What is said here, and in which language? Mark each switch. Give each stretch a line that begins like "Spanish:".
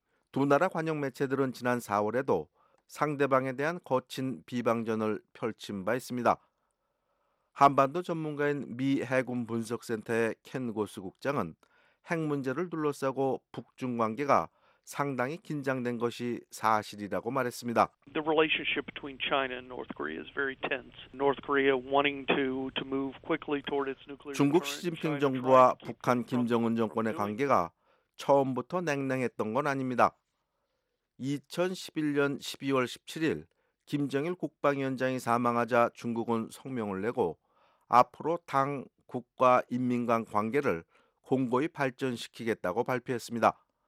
Korean: 두 나라 관영 매체들은 지난 4월에도 상대방에 대한 거친 비방전을 펼친 바 있습니다. 한반도 전문가인 미 해군 분석센터의 켄 고스 국장은 핵 문제를 둘러싸고 북중 관계가 상당히 긴장된 것이 사실이라고 말했습니다.
English: The relationship between China and North Korea is very tense. North Korea wanting to move quickly toward its nuclear.
Korean: 중국 시진핑 정부와 북한 김정은 정권의 관계가 처음부터 냉랭했던 건 아닙니다. 2011년 12월 17일 김정일 국방위원장이 사망하자 중국은 성명을 내고 앞으로 당, 국가, 인민 간 관계를 공고히 발전시키겠다고 발표했습니다.